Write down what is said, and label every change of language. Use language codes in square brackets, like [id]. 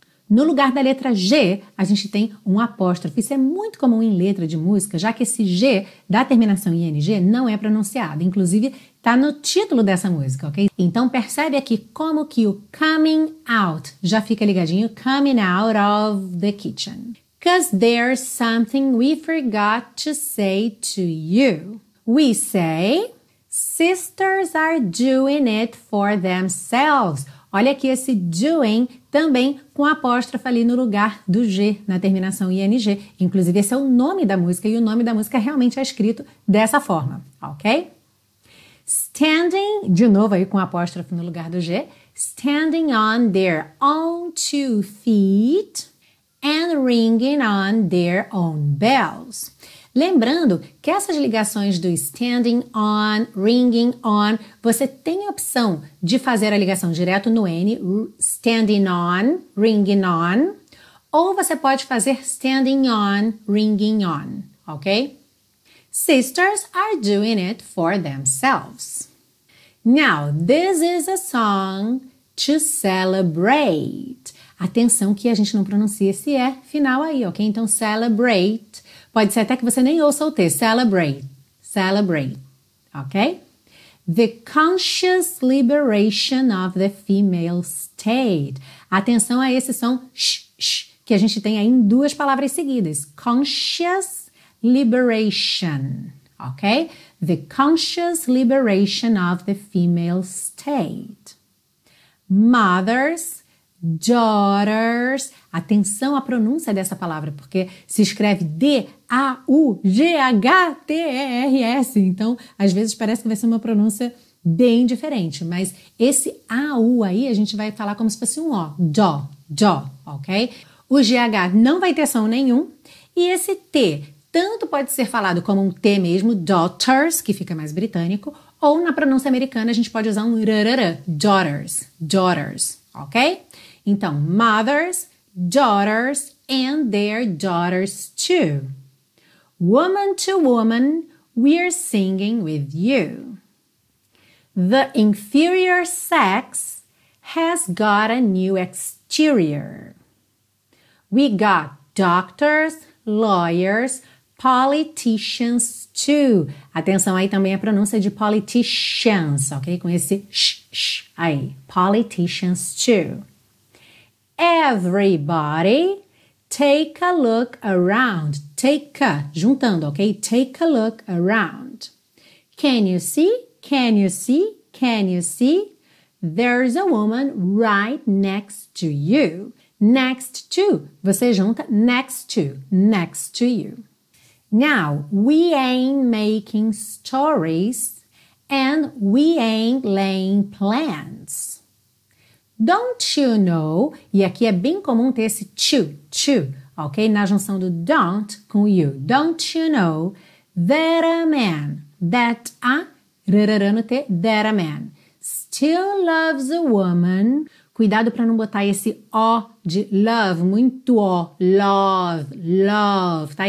[pt] No lugar da letra G, a gente tem um apóstrofe. Isso é muito comum em letra de música, já que esse G da terminação ing não é pronunciado. Inclusive, está no título dessa música, ok? Então, percebe aqui como que o coming out já fica ligadinho. [en] Coming out of the kitchen. Because there's something we forgot to say to you. We say, sisters are doing it for themselves. [pt] Olha aqui esse doing também com apóstrofe ali no lugar do G, na terminação ing. Inclusive, esse é o nome da música e o nome da música realmente é escrito dessa forma, ok? [en] Standing, [pt] de novo aí com apóstrofe no lugar do G, [en] standing on their own two feet and ringing on their own bells. [pt] Lembrando que essas ligações do standing on, ringing on, você tem a opção de fazer a ligação direto no N, standing on, ringing on, ou você pode fazer standing on, ringing on, ok? [en] Sisters are doing it for themselves. Now, this is a song to celebrate. [pt] Atenção que a gente não pronuncia esse E final aí, ok? Então, celebrate. Pode ser até que você nem ouça o T, celebrate, celebrate, ok? [en] The conscious liberation of the female state. [pt] Atenção a esse som, sh, sh, que a gente tem aí em duas palavras seguidas. [en] Conscious liberation, ok? The conscious liberation of the female state. Mothers. [pt] Daughters, atenção à pronúncia dessa palavra, porque se escreve D-A-U-G-H-T-E-R-S, então às vezes parece que vai ser uma pronúncia bem diferente, mas esse A-U aí a gente vai falar como se fosse um O, dó, dó, ok? O G-H não vai ter som nenhum, e esse T, tanto pode ser falado como um T mesmo, daughters, que fica mais britânico, ou na pronúncia americana a gente pode usar um rarara, daughters, daughters, ok? Então, [en] mothers, daughters, and their daughters too. Woman to woman, we're singing with you. The inferior sex has got a new exterior. We got doctors, lawyers, politicians too. [pt] Atenção aí também à pronúncia de politicians, ok? Com esse sh, sh aí. Politicians too. [en] Everybody, take a look around. Take a, juntando, ok? Take a look around. Can you see? Can you see? Can you see? There's a woman right next to you. Next to, [pt] você junta [en] next to, next to you. Now, we ain't making stories and we ain't laying plans. Don't you know, [pt] e aqui é bem comum ter esse to, to, ok? Na junção do don't com you. [en] Don't you know that a man, that a, [pt] rarara no T, [en] that a man, still loves a woman. [pt] Cuidado para não botar esse O de love, muito O, love, love, tá?